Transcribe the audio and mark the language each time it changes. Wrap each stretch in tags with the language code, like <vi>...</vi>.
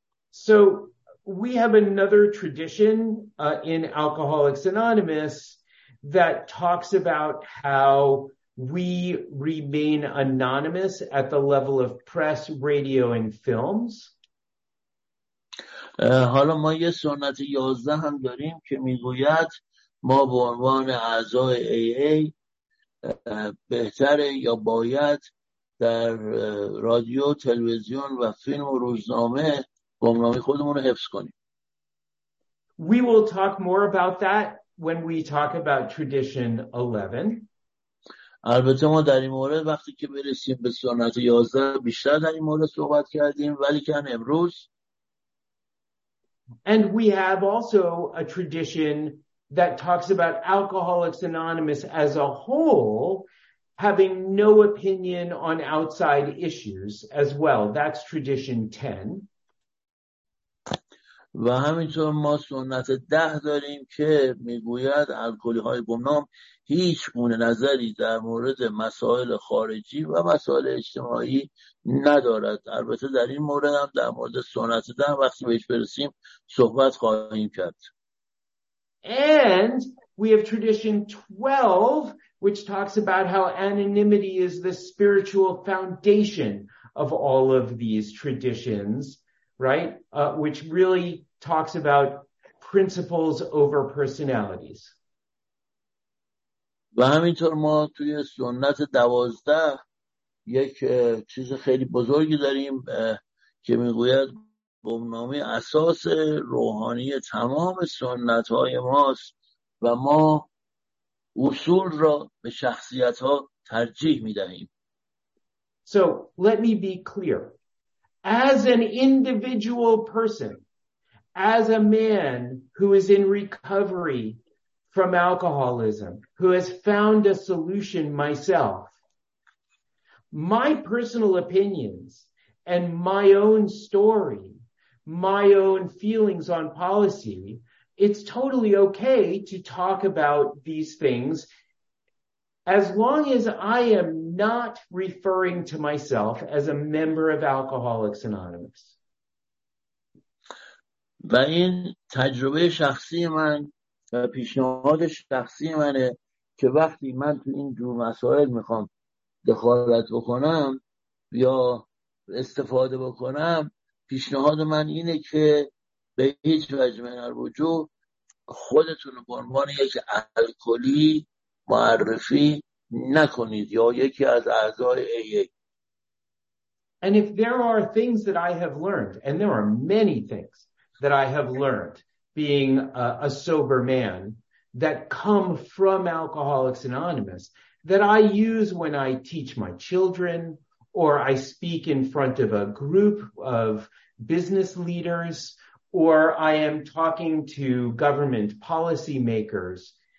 <en>So we have another tradition in Alcoholics Anonymous that talks about how we remain anonymous at the level of press, radio, and films.</en> <fa>حالا ما یه سنت 11 هم داریم که میگوید ما به عنوان اعضای AA بهتره یا باید در رادیو، تلویزیون و فیلم و روزنامه گمنامی خودمون رو حفظ کنیم.</fa> <en>We will talk more about that when we talk about tradition 11.</en> <fa>البته ما در این مورد وقتی که برسیم به سنت 11 بیشتر در این مورد صحبت کردیم، ولی که امروز.</fa> <en>And we have also a tradition that talks about Alcoholics Anonymous as a whole having no opinion on outside issues as well. That's tradition 10.</en> <fa>و همینطور ما سنت 10 داریم که میگوید الکلی‌های گمنام هیچ گونه نظری در مورد مسائل خارجی و مسائل اجتماعی ندارد. البته در این مورد هم در مورد سنت 10 وقتی بهش برسیم صحبت خواهیم کرد.</fa> <en>And we have tradition 12, which talks about how anonymity is the spiritual foundation of all of these traditions, right? Which really talks about principles over personalities.</en> <fa>و همینطور ما توی سنت 12 یک چیز خیلی بزرگی داریم که میگوید گمنامی اساس روحانی تمام سنت های ماست و ما اصول را به شخصیت ها ترجیح می دهیم.</fa> <en>So let me be clear. As an individual person, as a man who is in recovery from alcoholism, who has found a solution myself, my personal opinions and my own story, my own feelings on policy, it's totally okay to talk about these things as long as I am not referring to myself as a member of Alcoholics Anonymous.</en> <fa>و این تجربه شخصی من و پیشنهاد شخصی منه که وقتی من تو این جور مسائل میخوام دخالت بکنم یا استفاده بکنم، پیشنهاد من اینه که به هیچ وجه من وجود خودتون رو به عنوان یک الکلی معرفی نکنید یا یکی از اعضای AA.</fa> <en>And if there are things that I have learned, and there are many things that I have learned being a sober man that come from Alcoholics Anonymous that I use when I teach my children or I speak in front of a group of business leaders or I am talking to government policymakers,</en>